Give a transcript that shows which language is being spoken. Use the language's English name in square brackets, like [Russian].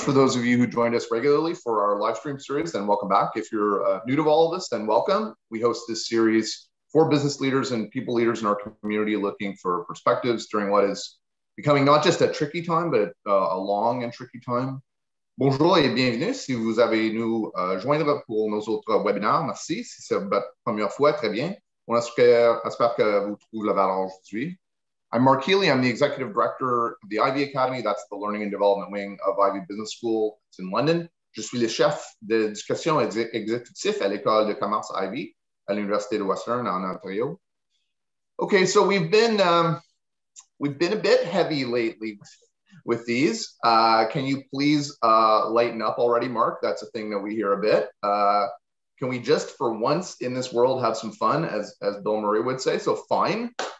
[English] For those of you who joined us regularly for our live stream series, then welcome back. If you're new to all of us, then welcome. We host this series for business leaders and people leaders in our community looking for perspectives during what is becoming not just a tricky time, but a long and tricky time. [French] Bonjour et bienvenue. Si vous avez nous joindre pour nos autres webinaires, merci. Si c'est votre première fois, très bien. On espère que vous trouvez la valeur aujourd'hui. [English] I'm Mark Healy. I'm the Executive Director of the Ivey Academy. That's the Learning and Development Wing of Ivey Business School. It's in London. [French] Je suis le chef de discussion exécutif à l'École de commerce Ivey à l'Université de Western en Ontario. [English] Okay, so we've been a bit heavy lately with these. Can you please lighten up already, Mark? That's a thing that we hear a bit. Can we just for once in this world have some fun, as Bill Murray would say? So fine.